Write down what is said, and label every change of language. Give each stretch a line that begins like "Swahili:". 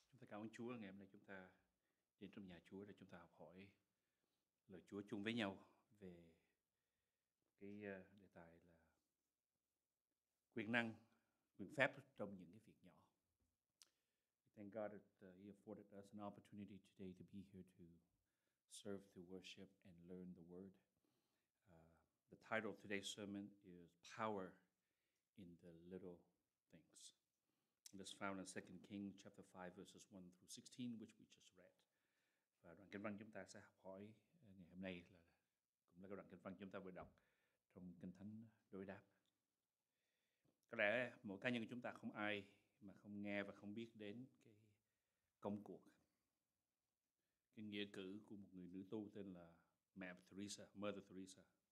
Vietnamese: ơn Chúa ngày hôm nay chúng ta đến trong nhà Chúa để chúng ta học hỏi lời Chúa chung với nhau về cái đề tài là quyền năng, quyền phép trong những cái việc nhỏ.
English: Thank God that He afforded us an opportunity today to be here to serve, to worship, and learn the Word. The title of today's sermon is Power in the Little Things. It is found in 2 Kings chapter 5, verses 1 through 16, which we just read.
Vietnamese: Và đoạn kinh văn chúng ta sẽ học hỏi ngày hôm nay là cũng là cái đoạn kinh văn chúng ta vừa đọc trong Kinh Thánh Đối Đáp. Có lẽ mỗi cá nhân chúng ta không ai mà không nghe và không biết đến cái công cuộc, cái nghĩa cử của một người nữ tu tên là Mẹ Teresa, Mother Teresa.